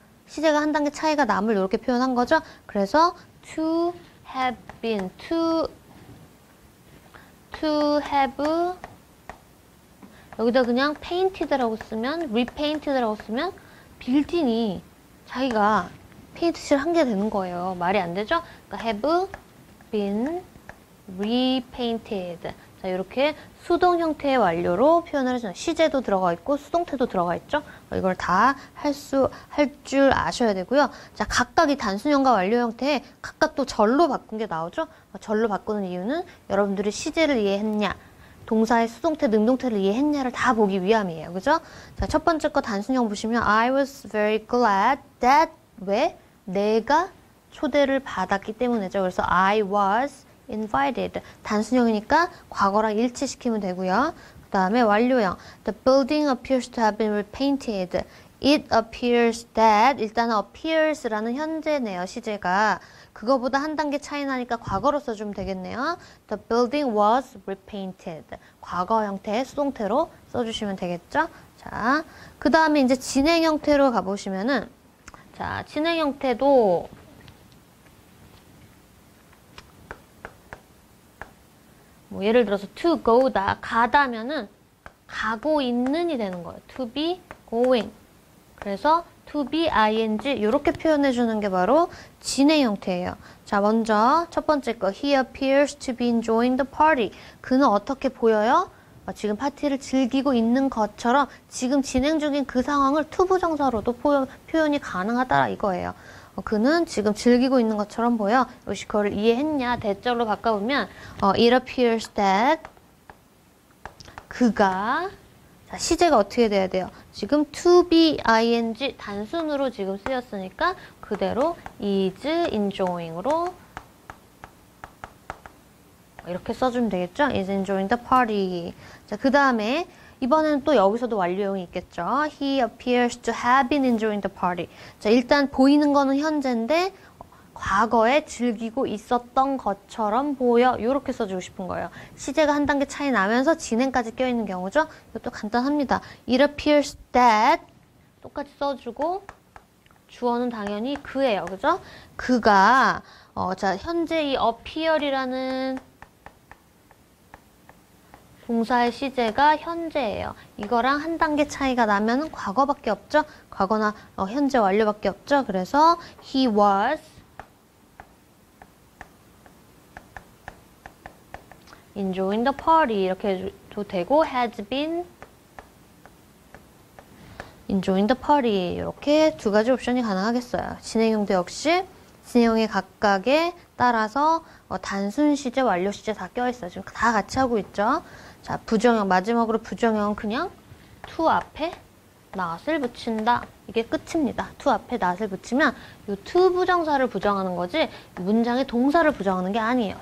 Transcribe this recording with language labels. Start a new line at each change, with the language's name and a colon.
Korean: 시제가 한 단계 차이가 남을 이렇게 표현한 거죠. 그래서
English: to have been, to have
Korean: 여기다 그냥 painted라고 쓰면 repainted라고 쓰면 빌딩이 자기가 페인트칠 한 게 되는 거예요. 말이 안 되죠?
English: 그러니까 have been repainted.
Korean: 자, 이렇게 수동 형태의 완료로 표현을 해서 시제도 들어가 있고 수동태도 들어가 있죠. 이걸 다 할 줄 아셔야 되고요. 자, 각각이 단순형과 완료 형태 각각 또 절로 바꾼 게 나오죠. 절로 바꾸는 이유는 여러분들이 시제를 이해했냐, 동사의 수동태, 능동태를 이해했냐를 다 보기 위함이에요. 그죠? 자, 첫 번째 거 단순형 보시면
English: I was very glad that
Korean: 왜? 내가 초대를 받았기 때문이죠. 그래서
English: I was invited.
Korean: 단순형이니까 과거랑 일치시키면 되고요. 그 다음에 완료형.
English: The building appears to have been repainted. It appears that
Korean: 일단 appears라는 현재네요. 시제가 그거보다 한 단계 차이 나니까 과거로 써주면 되겠네요.
English: The building was repainted.
Korean: 과거 형태의 수동태로 써주시면 되겠죠. 자, 그 다음에 이제 진행 형태로 가보시면은 자, 진행 형태도 뭐 예를 들어서 to go다, 가다면은 가고 있는이 되는 거예요.
English: to be going.
Korean: 그래서 to be ing 이렇게 표현해 주는 게 바로 진의 형태예요. 자, 먼저 첫 번째 거.
English: He appears to be enjoying the party.
Korean: 그는 어떻게 보여요? 지금 파티를 즐기고 있는 것처럼 지금 진행 중인 그 상황을 to 부정사로도 표현이 가능하다 이거예요. 그는 지금 즐기고 있는 것처럼 보여. 역시 그걸 이해했냐? 대절로 바꿔보면
English: it appears that
Korean: 그가 자, 시제가 어떻게 돼야 돼요? 지금 to be ing 단순으로 지금 쓰였으니까 그대로 is enjoying으로 이렇게 써주면 되겠죠?
English: is enjoying the party.
Korean: 자, 그 다음에 이번에는 또 여기서도 완료형이 있겠죠?
English: He appears to have been enjoying the party.
Korean: 자, 일단 보이는 거는 현재인데 과거에 즐기고 있었던 것처럼 보여. 요렇게 써주고 싶은 거예요. 시제가 한 단계 차이 나면서 진행까지 껴있는 경우죠? 이것도 간단합니다.
English: It appears that
Korean: 똑같이 써주고 주어는 당연히 그예요. 그죠? 그가, 자, 현재 이 appear이라는 동사의 시제가 현재예요. 이거랑 한 단계 차이가 나면 과거밖에 없죠? 과거나 현재 완료밖에 없죠?
English: 그래서 he was enjoying the party
Korean: 이렇게 해도 되고
English: has been enjoying the party
Korean: 이렇게 두 가지 옵션이 가능하겠어요. 진행형도 역시 진행형의 각각에 따라서 단순 시제, 완료 시제 다 껴있어요. 지금 다 같이 하고 있죠? 자, 부정형. 마지막으로 부정형은 그냥 to 앞에 not을 붙인다. 이게 끝입니다. to 앞에 not을 붙이면 이 to 부정사를 부정하는 거지 문장의 동사를 부정하는 게 아니에요.